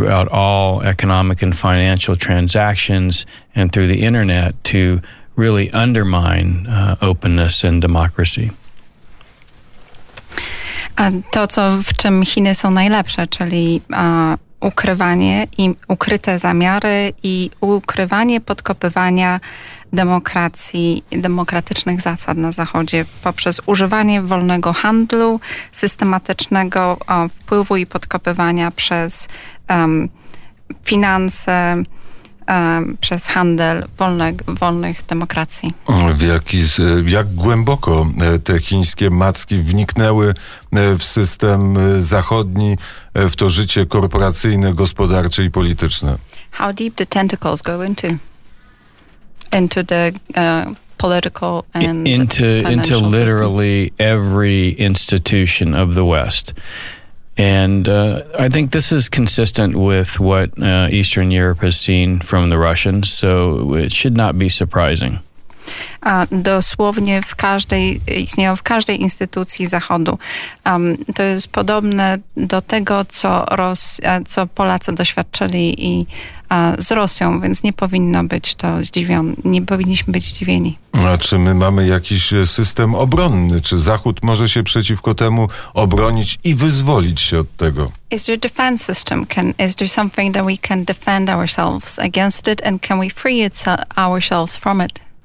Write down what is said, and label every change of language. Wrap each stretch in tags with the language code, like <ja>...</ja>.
<en>all economic and financial transactions, and through the internet, to really undermine openness and democracy.</en> <pl>A to, co w czym Chiny są najlepsze, czyli ukrywanie i ukryte zamiary i ukrywanie podkopywania demokracji, demokratycznych zasad na Zachodzie poprzez używanie wolnego handlu, systematycznego wpływu i podkopywania przez finanse, przez handel wolnych demokracji. Jak głęboko te chińskie macki wniknęły w system zachodni, w to życie korporacyjne, gospodarcze i polityczne?</pl> <en>How deep the tentacles go into the political and into literally every institution of the West. And I think this is consistent with what Eastern Europe has seen from the Russians, so it should not be surprising.</en> <pl>Dosłownie w każdej, istnieją w każdej instytucji Zachodu. To jest podobne do tego, co Polacy doświadczyli i z Rosją, więc nie powinno być to zdziwione, nie powinniśmy być zdziwieni. A czy my mamy jakiś system obronny? Czy Zachód może się przeciwko temu obronić i wyzwolić się od tego?</pl> <en>Is there a defense system? Is there something that we can defend ourselves against it and can we free ourselves from it?</en>